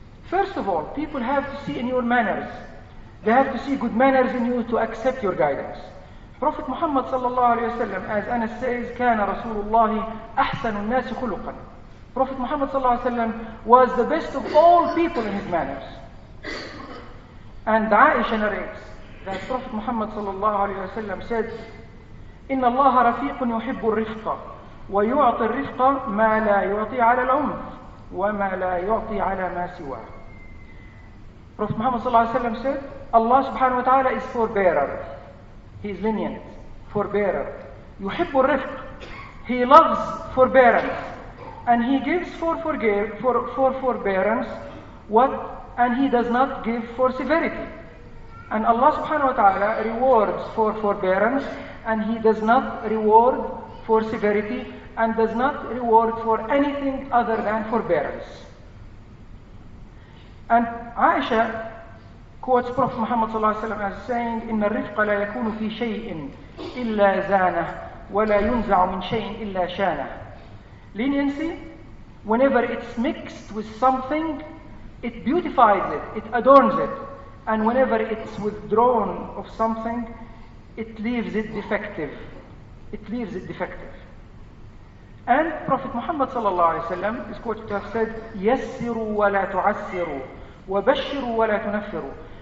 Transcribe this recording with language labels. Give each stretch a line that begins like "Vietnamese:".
English: First of all, people have to see in your manners. They have to see good manners in you to accept your guidance. Prophet Muhammad sallallahu alayhi wa sallam, as Anas says,
Arabic: كَانَ رَسُولُ اللَّهِ أَحْسَنُ النَّاسِ خُلُقًا.
English: Prophet Muhammad sallallahu alayhi wa sallam was the best of all people in his manners. And Aisha narrates that Prophet Muhammad sallallahu alayhi wa sallam said,
Arabic: إِنَّ اللَّهَ رَفِيقٌ يُحِبُّ الرِّفْقَ وَيُعْطِ الرِّفْقَ مَا لَا يُعْطِي عَلَى الْعُنْفِ وَمَا لَا يُعْطِي عَلَى مَا سِوَاهُ.
English: Prophet Muhammad sallallahu alayhi wa sallam said, Allah subhanahu wa ta'ala is forbearer. He is lenient, forbearer.
Arabic: يُحِبُّ الرِّفْقَ.
English: He loves forbearance. And he gives for forbearance what, and he does not give for severity. And Allah subhanahu wa ta'ala rewards for forbearance, and he does not reward for severity, and does not reward for anything other than forbearance. And Aisha quotes Prophet Muhammad sallallahu alayhi wa sallam as saying,
Arabic: إِنَّ الرِّفْقَ لَا يَكُونُ فِي شَيْءٍ إِلَّا زَانَهُ وَلَا يُنْزَعُ مِنْ شَيْءٍ إِلَّا شَانَهُ.
English: Leniency, whenever it's mixed with something, it beautifies it, it adorns it. And whenever it's withdrawn of something, it leaves it defective. It leaves it defective. And Prophet Muhammad sallallahu alayhi wa sallam is quoted to have said,
Arabic: يَسِّرُوا وَلَا تُعَسِّرُوا وَبَشِّرُوا وَلَا تُنَفِّرُوا.